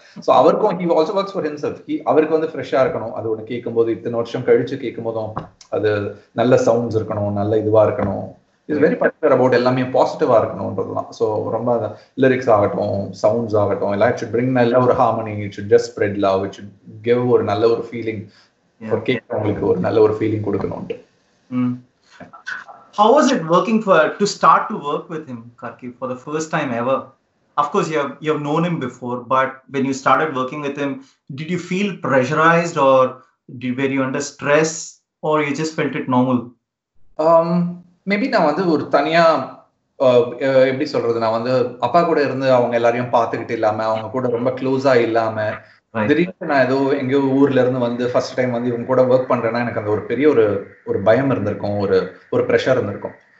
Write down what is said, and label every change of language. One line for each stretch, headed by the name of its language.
Tamil: So அவருக்கும்
English: he also works for himself,
Tamil: அவருக்கு வந்து ஃப்ரெஷ்ஷாக இருக்கணும் அது ஒன்று கேட்கும்போது, இத்தனை வருஷம் கழிச்சு கேட்கும்போதும் அது நல்ல சவுண்ட்ஸ் இருக்கணும், நல்ல இதுவாக இருக்கணும்,
English: it's very particular about
Tamil: எல்லாமே பாசிட்டிவாக இருக்கணும்ன்றதுலாம். ஸோ ரொம்ப லிரிக்ஸ் ஆகட்டும், சவுண்ட்ஸ் ஆகட்டும், எல்லாம் இட் ஷுட் பிரிங் நல்ல ஒரு harmony,
English: it should just spread love,
Tamil: it should give ஒரு நல்ல ஒரு ஃபீலிங் ஃபார் கேட்கறவங்களுக்கு, ஒரு நல்ல ஒரு feeling கொடுக்கணும்ட்டு.
English: How was it working for to start to work with him, Karki, for the first time ever? Of course, you have known him before, but when you started working with him, did you feel pressurized or were you under stress or you just felt it normal?
Tamil: Maybe na vandu or thaniya eppadi solradhu, na vandu appa kuda irundhu avanga ellarium paathukitte illama avanga kuda romba close ah illama திடீர்னு நான் ஏதோ எங்கேயோ ஊர்ல இருந்து வந்து first time வந்து இவங்க கூட ஒர்க் பண்றேன்னா எனக்கு அந்த ஒரு பெரிய ஒரு ஒரு பயம் இருந்திருக்கும், ஒரு ஒரு ப்ரெஷர் இருந்திருக்கும்.